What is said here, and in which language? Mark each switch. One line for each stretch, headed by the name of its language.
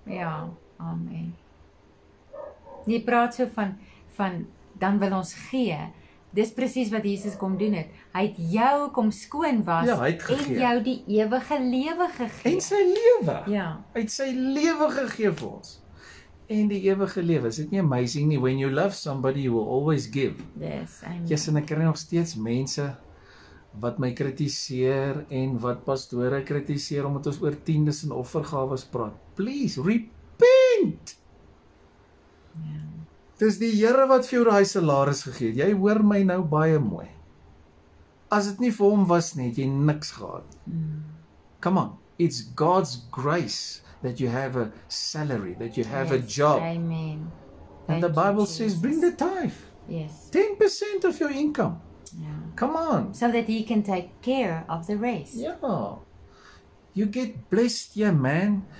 Afrikaans: Ja, amen. Jy praat so van dan wil ons gee. Dis precies wat Jesus kom doen het. Hy het jou kom skoon was. Ja, hy het gegee. En jou die ewige lewe gegee. En sy lewe. Ja. Hy het sy lewe gegee vir ons. En die ewige lewe. Is dit nie amazing nie?
English: When you love somebody, you will always give. Yes, amen.
Afrikaans: Yes, en ek kry nog steeds mense wat my kritiseer en wat pastore kritiseer omdat ons oor tiendes en offergawes praat.
English: Please, repent!
Afrikaans: Het is die Here wat vir jou die salaris gegee het. Jy hoor my nou baie mooi. As het nie vir hom was nie, het jy niks gehad.
English: Come on. It's God's grace that you have a salary, that you have yes, a job. Amen. And the Bible says, bring the tithe. Yes. 10% of your income. Yeah. Come on. So that He can take care of the rest. Yeah. You get blessed, yeah, man.